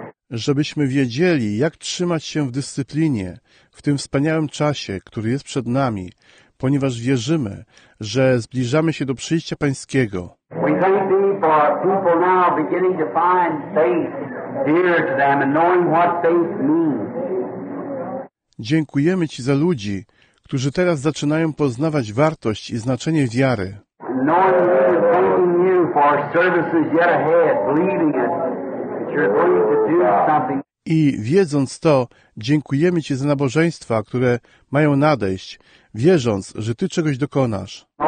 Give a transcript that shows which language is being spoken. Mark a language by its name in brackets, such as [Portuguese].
[Polish] Żebyśmy wiedzieli, jak trzymać się w dyscyplinie w tym wspaniałym czasie, który jest przed nami, ponieważ wierzymy, że zbliżamy się do przyjścia Pańskiego. [English] We thank Thee for people now beginning to find faith dear to them and knowing what faith means. [Polish] Dziękujemy Ci za ludzi, którzy teraz zaczynają poznawać wartość i znaczenie wiary. [English] Knowing you and thanking you for services yet ahead, believing it that you're going to do something. [Polish] I wiedząc to, dziękujemy Ci za nabożeństwa, które mają nadejść, wierząc, że Ty czegoś dokonasz.